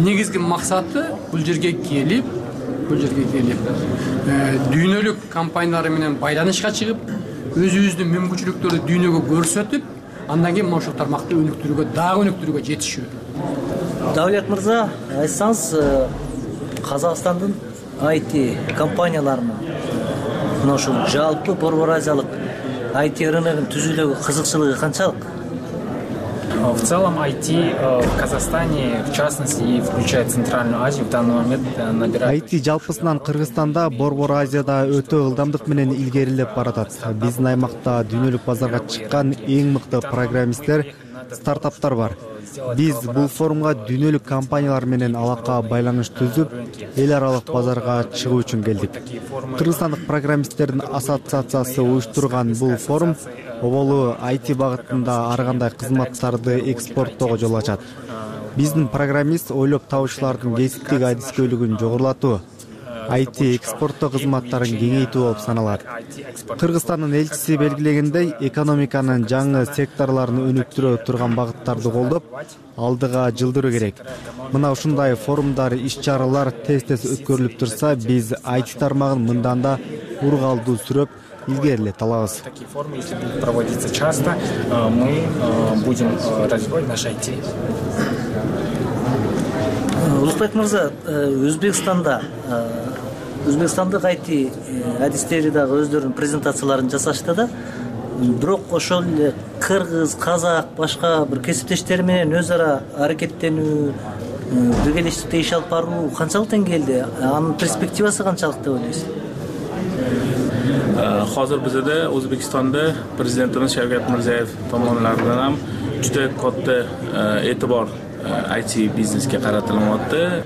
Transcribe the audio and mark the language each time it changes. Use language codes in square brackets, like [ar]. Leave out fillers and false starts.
[ky] Негизги максаты бул жерге келип дүйнөлүк компаниялар менен байланышка чыгып, өзүбүздүн мүмкүнчүлүктөрдү дүйнөгө көрсөтүп, андан кийин мына ушул тармакты өнүктүрүүгө жетишүү. Давлет мырза, айтсаңыз, Казакстандын IT компанияларынын мына ушул жалпы борбор азиялык IT рыногунун түзүлүүгө кызыкчылыгы канчалык? [ru] В целом IT в Казахстане, в частности, и включая Центральную Азию, в данный момент набирает... [ky] IT жалпысынан Кыргызстанда, Борбор Азияда өтө ылдамдык менен илгерилеп баратат. Биздин аймакта дүйнөлүк базарга чыккан эң мыкты программисттер, стартаптар бар. Биз бул форумга дүйнөлүк компаниялар менен алака байланыш түзүп, эл аралык базарга чыгуу үчүн келдик. Кыргызстандык программисттердин ассоциациясы уюштурган бул форум оболу IT багытында ар кандай кызматтарды экспорттоого жол ачат. Биздин программист ойлоп табуучулардын кесиптик адискөйлүгүн жогорулатуу, IT экспорттоо кызматтарын кеңейтүү болуп саналат. Кыргызстандын элчиси белгилегендей, экономиканын жаңы секторлорун өнүктүрө турган багыттарды колдоп, алдыга жылдыруу керек. Мына ушундай форумдар, иш-чаралар тез-тез өткөрүлүп турса, биз IT тармагын мындан да ургалдуу сүрөп, илгерилете алабыз. [ru] Такие форумы, если будут проводиться часто, мы будем развивать наш IT. [ky] Улукбек мырза, Өзбекстанда Өзбекстандык IT адистери дагы өздөрүнүн презентацияларын жасашты да, бирок ошол эле кыргыз, казак, башка бир кесиптештер менен өз ара аракеттенүү, биргеликте иш алып баруу канчалык деңгээлде, анын перспективасы канчалык деп ойлойсуз? [uz] Hozir bizda O'zbekistonda prezidentimiz Shavkat Mirziyoyev tomonidan ham juda katta e'tibor IT бизнеске қаратылмады.